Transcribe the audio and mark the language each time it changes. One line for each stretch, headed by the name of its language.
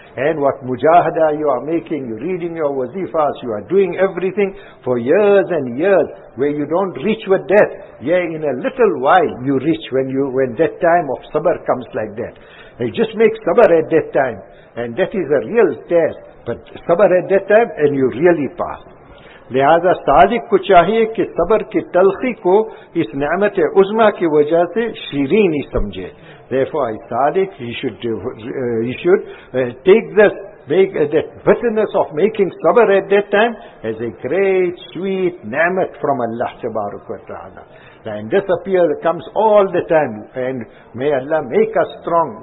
English: And what mujahada you are making, you're reading your wazifas, you are doing everything for years and years, where you don't reach with death. Yeah, in a little while you reach when that time of sabr comes like that. You just make sabr at that time, and that is a real test. But sabr at that time, and you really pass.
Urdu: لہذا صادق کو چاہیے کہ صبر کی تلخی کو اس نعمت عظمہ کی وجہ سے شیرین ہی سمجھے.
English: Therefore, Sadiq, he should take that bitterness of making sabr at that time as a great, sweet نعمت from Allah تبارک و تعالی. And this appears, comes all the time. And may Allah make us strong.